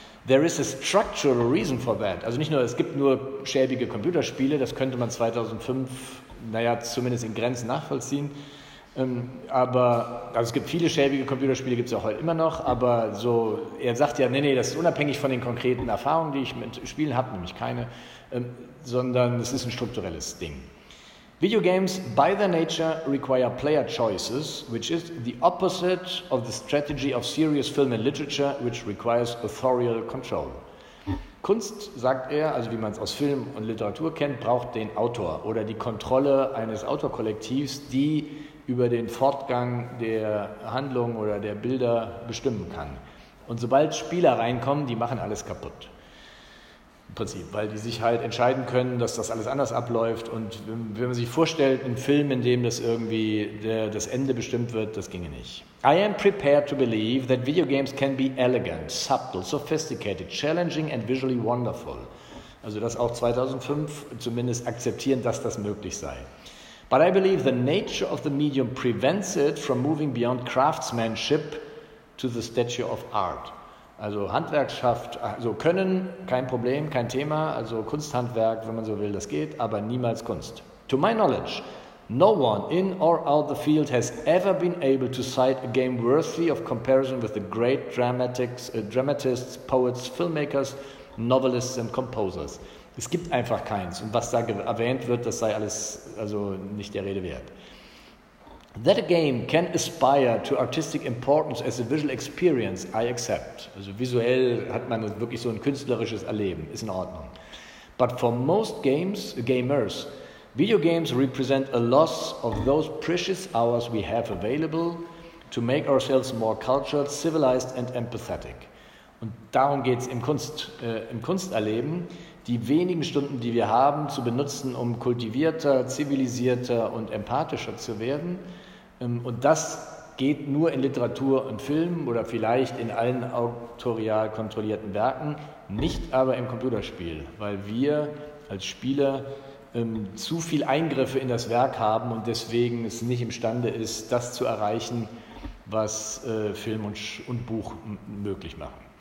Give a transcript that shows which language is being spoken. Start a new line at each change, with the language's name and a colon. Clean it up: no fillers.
English: There is a structural reason for that.
German: Also nicht nur, es gibt nur schäbige Computerspiele, das könnte man 2005, naja, zumindest in Grenzen nachvollziehen. Aber also es gibt viele schäbige Computerspiele, gibt es auch heute immer noch, aber so, er sagt ja, nee, das ist unabhängig von den konkreten Erfahrungen, die ich mit Spielen habe, nämlich keine, sondern es ist ein strukturelles Ding.
English: Video games by their nature require player choices, which is the opposite of the strategy of serious film and literature, which requires authorial control.
German: Kunst, sagt er, also wie man es aus Film und Literatur kennt, braucht den Autor oder die Kontrolle eines Autorkollektivs, die über den Fortgang der Handlung oder der Bilder bestimmen kann. Und sobald Spieler reinkommen, die machen alles kaputt. Im Prinzip, weil die sich halt entscheiden können, dass das alles anders abläuft. Und wenn man sich vorstellt, ein Film, in dem das irgendwie das Ende bestimmt wird, das ginge nicht.
English: I am prepared to believe that video games can be elegant, subtle, sophisticated, challenging and visually wonderful.
German: Also das auch 2005 zumindest akzeptieren, dass das möglich sei.
English: But I believe the nature of the medium prevents it from moving beyond craftsmanship to the stature of art.
German: Also Handwerkschaft, also Können, kein Problem, kein Thema, also Kunsthandwerk, wenn man so will, das geht, aber niemals Kunst.
English: To my knowledge, no one in or out the field has ever been able to cite a game worthy of comparison with the great dramatists, poets, filmmakers, novelists and composers.
German: Es gibt einfach keins. Und was da erwähnt wird, das sei alles also nicht der Rede wert.
English: That a game can aspire to artistic importance as a visual experience, I accept.
German: Also visuell hat man wirklich so ein künstlerisches Erleben, ist in Ordnung.
English: But for most games, gamers, video games represent a loss of those precious hours we have available to make ourselves more cultured, civilized and empathetic.
German: Und darum geht es im Kunsterleben, die wenigen Stunden, die wir haben, zu benutzen, um kultivierter, zivilisierter und empathischer zu werden. Und das geht nur in Literatur und Film oder vielleicht in allen autorial kontrollierten Werken, nicht aber im Computerspiel, weil wir als Spieler zu viel Eingriffe in das Werk haben und deswegen es nicht imstande ist, das zu erreichen, was Film und Buch möglich machen.